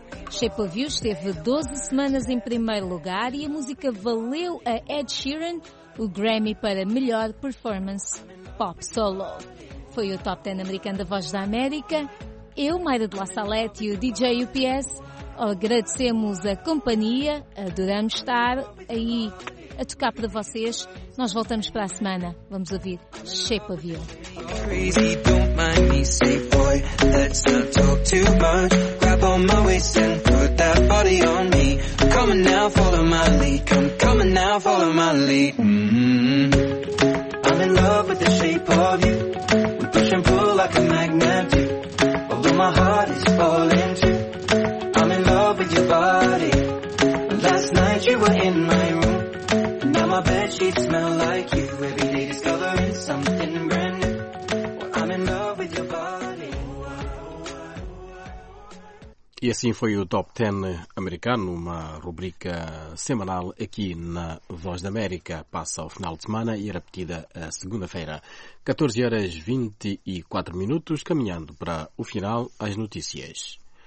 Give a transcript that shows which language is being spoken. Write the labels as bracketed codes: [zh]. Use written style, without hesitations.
[pt] Shape of You esteve 12 semanas em primeiro lugar e a música valeu a Ed Sheeran o Grammy para melhor performance pop solo. Foi o Top 10 americano da Voz da América. Eu, Mayra de La Salette e o DJ UPS agradecemos a companhia, adoramos estar aí a tocar para vocês. Nós voltamos para a semana. Vamos ouvir Shape of You. [en] Crazy, don't mind me, say boy, let's not talk too much. Grab on my waist and put that body on me. I'm coming now, follow my lead. I'm coming now, follow my lead. I'm in love with the shape of you. We push and pull like a magnet do. Although my heart is falling too, I'm in love with your body. Last night you were in my room, now my bedsheets smell like you. Every day discovering something brand new. [pt] E assim foi o Top 10 americano, uma rubrica semanal aqui na Voz da América. Passa ao final de semana e é repetida a segunda-feira. 14 horas 24 minutos, caminhando para o final, as notícias.